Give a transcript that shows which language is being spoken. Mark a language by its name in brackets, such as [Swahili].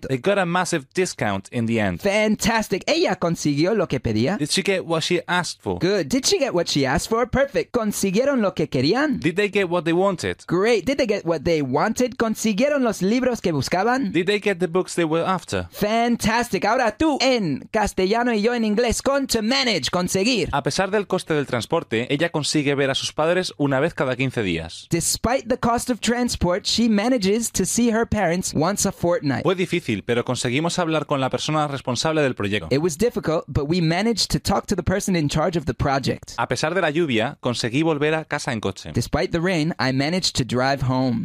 [English] They got a massive discount in the end. Fantastic. [Spanish] Ella consiguió lo que pedía. [English] Did she get what she asked for? Good. Did she get what she asked for? Perfect. [Spanish] Consiguieron lo que querían. [English] Did they get what they wanted? Great. Did they get what they wanted? [Spanish] Consiguieron los libros que buscaban. [English] Did they get the books they were after? Fantastic. [Spanish] Ahora tú en castellano y yo en inglés con to manage, conseguir. A pesar del coste del transporte, ella consigue ver a sus padres una vez cada 15 días. [English] Despite the cost of transport, she manages to see her parents once a fortnight. [Spanish] Difícil, pero conseguimos hablar con la persona responsable del proyecto. [English] It was difficult, but we managed to talk to the person in charge of the project. [Spanish] A pesar de la lluvia, conseguí volver a casa en coche. [English] Despite the rain, I managed to drive home.